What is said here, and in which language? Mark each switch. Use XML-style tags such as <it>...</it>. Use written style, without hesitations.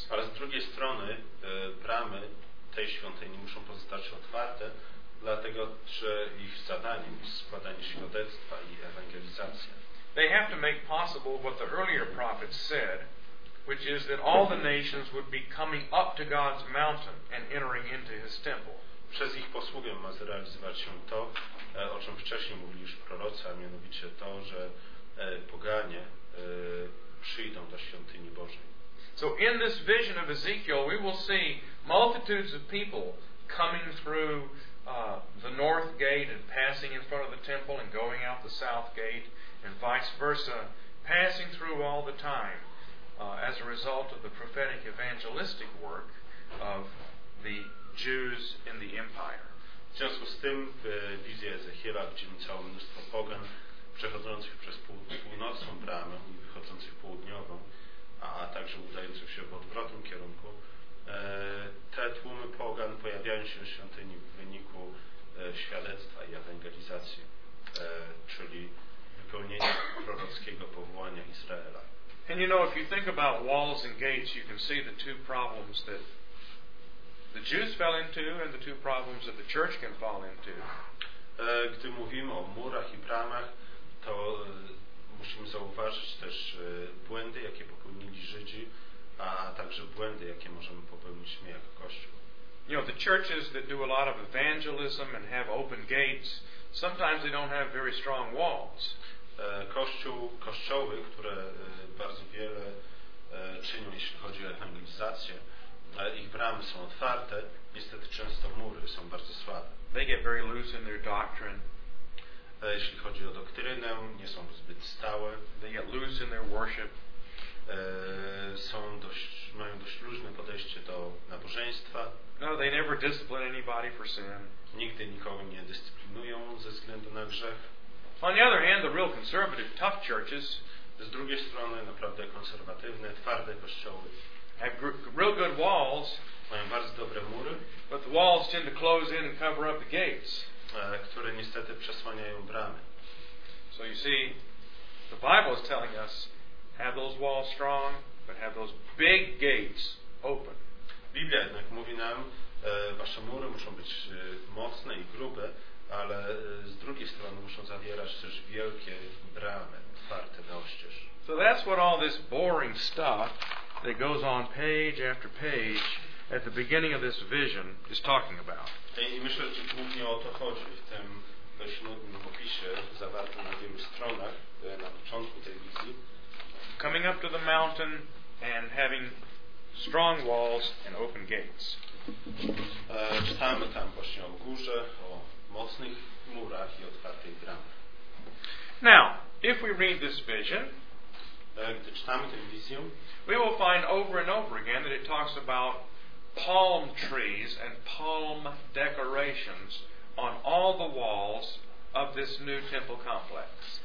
<pl>Ale z drugiej strony bramy tej świątyni muszą pozostać otwarte, dlatego że ich zadaniem jest składanie świadectwa i ewangelizacja.</pl> <en>They have to make possible what the earlier prophets said, which is that all the nations would be coming up to God's mountain and entering into his temple.</en> <pl>Przez ich posługę ma zrealizować się to, o czym wcześniej mówili już prorocy, a mianowicie to, że poganie przyjdą do świątyni Bożej.</pl> <en>So in this vision of Ezekiel, we will see multitudes of people coming through the north gate and passing in front of the temple and going out the south gate and vice versa, passing through all the time as a result of the prophetic evangelistic work of the Jews in the empire.</en> <pl>W związku z tym w wizji Ezechiela widzimy całe mnóstwo pogan przechodzących przez północną bramę i wychodzących południową, a także udających się w odwrotnym kierunku, te tłumy pogan pojawiają się w świątyni w wyniku świadectwa i ewangelizacji, czyli wypełnienia prorockiego powołania Izraela.</pl> <en>And you know, if you think about walls and gates, you can see the two problems that the Jews fell into and the two problems that the church can fall into.</en> <pl>Gdy mówimy o murach i bramach, to musimy zauważyć też błędy, jakie popełnili Żydzi, a także błędy, jakie możemy popełnić my jako Kościół.</pl> <en>You know, the churches that do a lot of evangelism and have open gates, sometimes they don't have very strong walls.</en> <pl>Kościoły, które bardzo wiele czynią, jeśli chodzi o ewangelizację. Ich bramy są otwarte, niestety często mury są bardzo słabe.</pl> <en>They get very loose in their doctrine.</en> <pl>Jeśli chodzi o doktrynę, nie są zbyt stałe.</pl> <en>They get loose in their worship.</en> <pl>Są dość, mają dość luźne podejście do nabożeństwa.</pl> <en>No, they never discipline anybody for sin.</en> <pl>Nigdy nikogo nie dyscyplinują ze względu na grzech.</pl> <en>On the other hand, the real conservative, tough churches.</en> <pl>Z drugiej strony, naprawdę konserwatywne, twarde kościoły.</pl> <en>Have real good walls.</en> <pl>Mają bardzo dobre mury.</pl> <en>But the walls tend to close in and cover up the gates.</en> <pl>Które niestety przesłaniają bramy.</pl> <en>So you see, the Bible is telling us, have those walls strong, but have those big gates open.</en> <pl>Biblia jednak mówi nam, wasze mury muszą być mocne i grube, ale z drugiej strony muszą zawierać też wielkie bramy, otwarte na oścież.</pl> <en>So that's what all this boring stuff that goes on page after page at the beginning of this vision is talking about.</en> <pl>I myślę, że głównie o to chodzi w tym dość nudnym opisie zawartym na wielu stronach na początku tej wizji.</pl> <en>Coming up to the mountain and having strong walls and open gates.</en> <pl>Czytamy tam właśnie o górze, o mocnych murach i otwartej bramie.</pl> <en>Now, if we read this vision,</en> <pl>gdy czytamy tę wizję,</pl> <en>we will find over and over again that it talks about palm trees and palm decorations on all the walls of this new temple complex.</en>